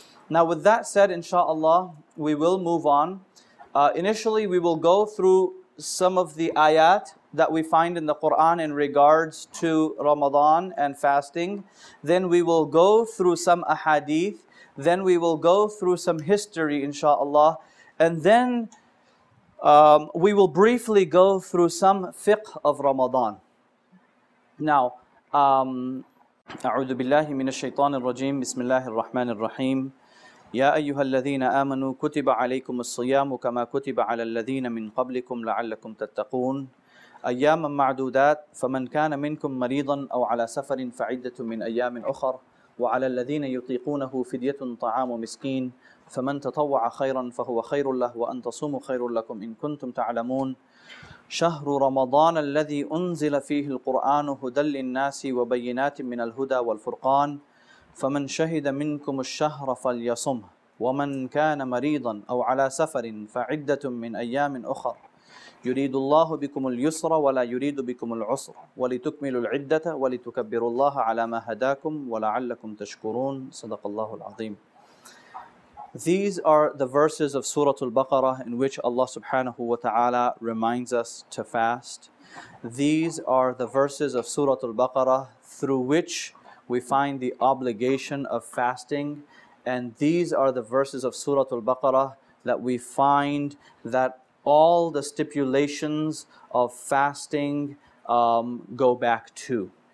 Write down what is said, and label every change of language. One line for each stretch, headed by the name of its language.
English: Now, with that said, inshallah, we will move on. Initially, we will go through some of the ayat that we find in the Qur'an in regards to Ramadan and fasting. Then we will go through some ahadith. Then we will go through some history, inshallah. And then we will briefly go through some fiqh of Ramadan.
Arabic: Now, أعوذ بالله من الشيطان الرجيم بسم الله الرحمن الرحيم يا أيها الذين آمنوا كتب عليكم الصيام كما كتب على الذين من قبلكم لعلكم تتقون أياما معدودات فمن كان منكم مريضا أو على سفر فعدة من أيام أخر وعلى الذين يطيقونه فدية طعام مسكين فمن تطوع خيرا فهو خير له وأن تصوموا خير لكم إن كنتم تعلمون شهر رمضان الذي أنزل فيه القرآن هدى للناس وبينات من الهدى والفرقان فمن شهد منكم الشهر فليصمه ومن كان مريضا أو على سفر فعدة من أيام أخر يريد الله بكم اليسر ولا يريد بكم العسر ولتكملوا العدة ولتكبروا الله على ما هداكم ولعلكم تشكرون صدق الله العظيم.
English: These are the verses of Surah Al-Baqarah in which Allah subhanahu wa ta'ala reminds us to fast. These are the verses of Surah Al-Baqarah through which we find the obligation of fasting. And these are the verses of Surah Al-Baqarah that we find that all the stipulations of fasting go back to.